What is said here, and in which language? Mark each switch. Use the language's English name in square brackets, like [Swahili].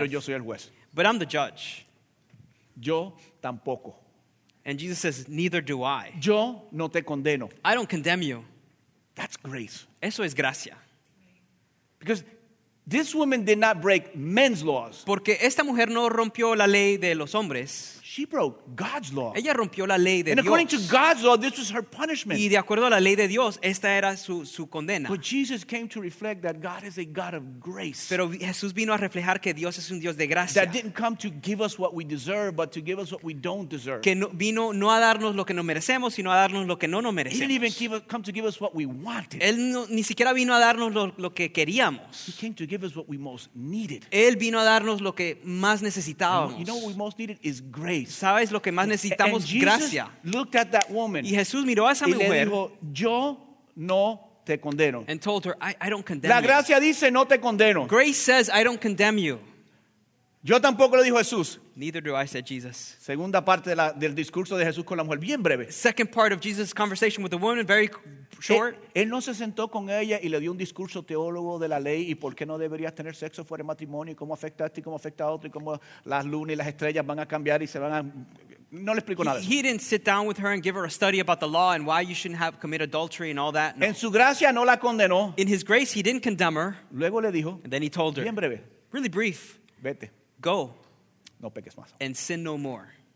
[Spanish] Pero yo soy el juez. [English] But I'm the judge. [Spanish] Yo tampoco. [English] And Jesus says, neither do I. [Spanish] Yo no te condeno. [English] I don't condemn you. That's grace. [Spanish] Eso es gracia. [English] Because this woman did not break men's laws. [Spanish] Porque esta mujer no rompió la ley de los hombres. [English] She broke God's law. [Spanish] Ella rompió la ley de [English] Dios. And according to God's law, this was her punishment. [Spanish] Y de acuerdo a la ley de Dios, esta era su condena. [English] But Jesus came to reflect that God is a God of grace. [Spanish] Pero Jesús vino a reflejar que Dios es un Dios de gracia. [English] That didn't come to give us what we deserve, but to give us what we don't deserve. [Spanish] Que vino no a darnos lo que nos merecemos, sino a darnos lo que no nos merecemos. [English] He didn't even come to give us what we wanted. [Spanish] Él ni siquiera vino a darnos lo que queríamos. [English] He came to give us what we most needed. [Spanish] Él vino a darnos lo que más necesitábamos. [English] You know what we most needed is grace. [Spanish] ¿Sabes lo que más necesitamos? Gracia. [English] Looked at that woman, [Spanish] y Jesús miró a esa mujer y le dijo, yo no te condeno. [English] And told her, I don't condemn [Spanish] you. La gracia [English] you. [Spanish] Dice, no te condeno. [English] Grace says, I don't condemn you. [Spanish] Yo tampoco, le dijo Jesús. [English] Neither do I, said Jesus. [Spanish] Segunda parte de del discurso de Jesús con la mujer, bien breve. [English] Second part of Jesus' conversation with the woman, very short. [Spanish] Él no se sentó con ella y le dio un discurso teólogo de la ley y por qué no deberías tener sexo fuera de matrimonio y cómo afecta a ti, cómo afecta a otro y cómo las lunas y las estrellas van a cambiar y se van a... No le explico nada. [English] He didn't sit down with her and give her a study about the law and why you shouldn't have commit adultery and all that. No. [Spanish] En su gracia no la condenó. [English] In his grace, he didn't condemn her. [Spanish] Luego le dijo. [English] And then he told her. [Spanish] Bien breve. [English] Really brief. [Spanish] Vete. [English] Go. [Spanish] No peques más. [English] And sin no more.